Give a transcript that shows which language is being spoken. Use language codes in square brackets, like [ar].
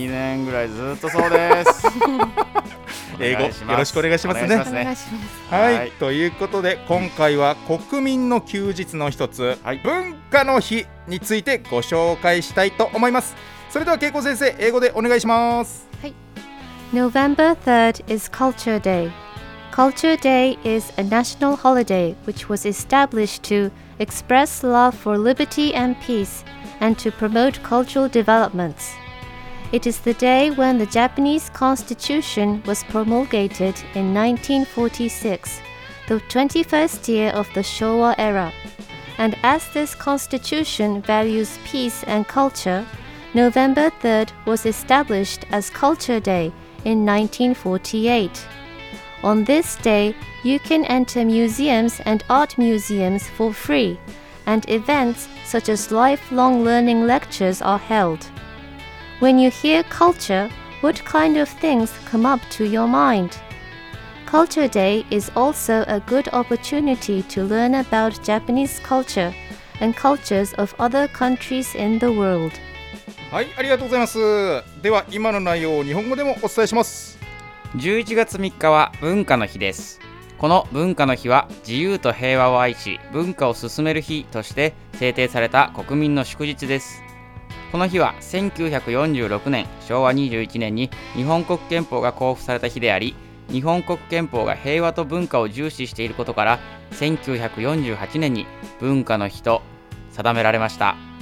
[ja] もう2年ぐらいずっとそうです。英語よろしくお願いしますね。お願いします。はい、ということで今回は国民の休日の一つ、はい、文化の日についてご紹介したいと思います。それでは恵子先生、英語でお願いします。 [en] はい、 November 3rd is Culture DayCulture Day is a national holiday which was established to express love for liberty and peace and to promote cultural developments. It is the day when the Japanese Constitution was promulgated in 1946, the 21st year of the Showa era. And as this constitution values peace and culture, November 3rd was established as Culture Day in 1948. On this day, you can enter museums and art museums for free, and events such as lifelong learning lectures are held. When you hear culture, what kind of things come up to your mind? Culture Day is also a good opportunity to learn about Japanese culture and cultures of other countries in the world. [ja] はい、ありがとうございます。では今の内容を日本語でもお伝えします。 11月3日は文化の日です。この文化の日は自由と平和を愛し文化を進める日として制定された国民の祝日です。この日は1946年昭和21年に日本国憲法が公布された日であり、日本国憲法が平和と文化を重視していることから1948年に文化の日と定められました。